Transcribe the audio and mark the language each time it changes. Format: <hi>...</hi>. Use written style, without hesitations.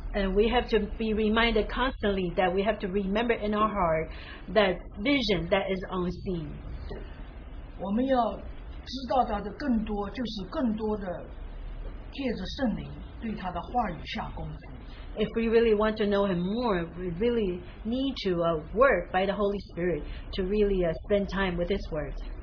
<en>And we have to be reminded constantly that we have to remember in our heart that vision that is unseen.</en> <zh>我们要知道他的更多就是更多的借着圣灵</zh> <en>If we really want to know him more, we really need to work by the Holy Spirit to really spend time with his word.</en>